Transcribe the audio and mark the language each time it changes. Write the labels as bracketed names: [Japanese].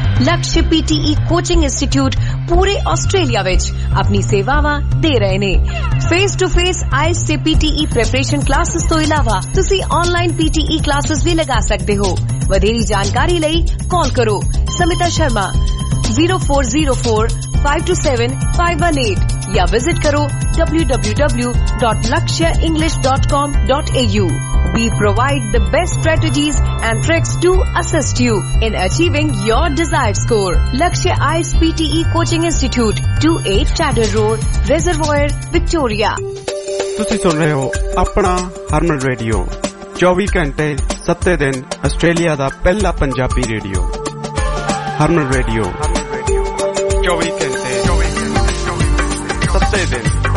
[Punjabi] ਲਕਸ਼ PTE coaching institute ਪੂਰੇ Australia ਵਿਚ ਆਪਣੀ ਸੇਵਾਵਾਂ ਦੇ ਰਹੇ ਨੇ ਫੇਸ ਟੂ ਫੇਸ IELTS ਤੇ PTE ਪ੍ਰੈਪਰੇਸ਼ਨ ਕਲਾਸਿਸ ਤੋਂ ਇਲਾਵਾ ਤੁਸੀਂ ਆਨਲਾਈਨ PTE ਕਲਾਸਿਸ ਵੀ ਲਗਾ ਸਕਦੇ ਹੋ ਵਧੇਰੀ ਜਾਣਕਾਰੀ ਲਈ ਕਾਲ ਕਰੋ ਸਮਿਤਾ ਸ਼ਰਮਾ [English] 0404-527-518 [Punjabi] ਜਾਂ ਵਿਜ਼ਿਟ ਕਰੋ [English] www.lakshyaenglish.com.au We provide the best strategies and tricks to assist you in achieving your desired score. Lakshya IELTS PTE Coaching Institute, 28 Chatter Road, Reservoir, Victoria. [Punjabi] ਤੁਸੀਂ ਸੁਣ ਰਹੇ ਹੋ ਆਪਣਾ ਹਰਮਨ ਰੇਡੀਓ 24 ਘੰਟੇ 7 ਦਿਨ ਆਸਟ੍ਰੇਲੀਆ ਦਾ ਪਹਿਲਾ ਪੰਜਾਬੀ ਰੇਡੀਓ ਹਰਮਨ ਰੇਡੀਓ 24 ਘੰਟੇ 7 ਦਿਨ